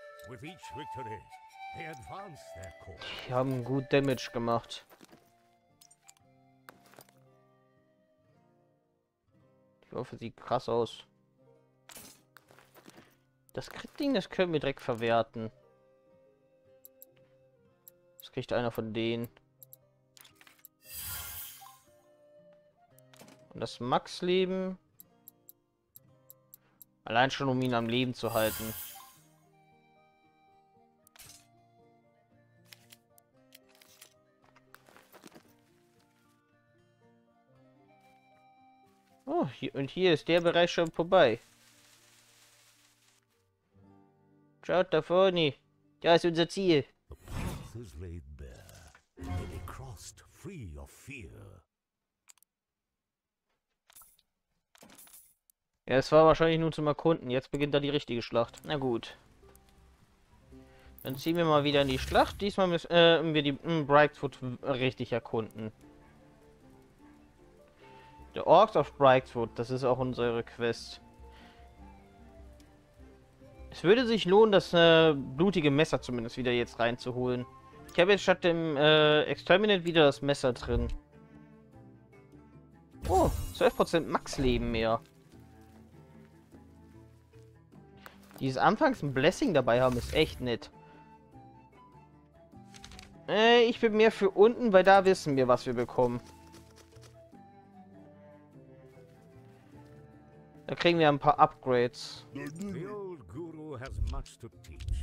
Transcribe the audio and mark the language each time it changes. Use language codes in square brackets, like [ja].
[en] With each victory, they advance their course. [de] Die haben gut Damage gemacht. Ich hoffe, sieht krass aus. Das Crit-Ding, das können wir direkt verwerten. Das kriegt einer von denen. Und das Max-Leben. Allein schon, um ihn am Leben zu halten. Oh, hier, und hier ist der Bereich schon vorbei. Schaut da vorne. Da ist unser Ziel. [en] The path is laid bare. May be crossed free of fear. [de] Ja, es war wahrscheinlich nur zum Erkunden. Jetzt beginnt da die richtige Schlacht. Na gut. Dann ziehen wir mal wieder in die Schlacht. Diesmal müssen wir die Brightfoot richtig erkunden. The Orcs of Brightfoot, das ist auch unsere Quest. Es würde sich lohnen, das blutige Messer zumindest wieder jetzt reinzuholen. Ich habe jetzt statt dem Exterminate wieder das Messer drin. Oh, 12% Max-Leben mehr. Dieses anfangs ein Blessing dabei haben ist echt nett. Ich bin mehr für unten, weil da wissen wir, was wir bekommen. Da kriegen wir ein paar Upgrades. [en] The old Guru has much to teach.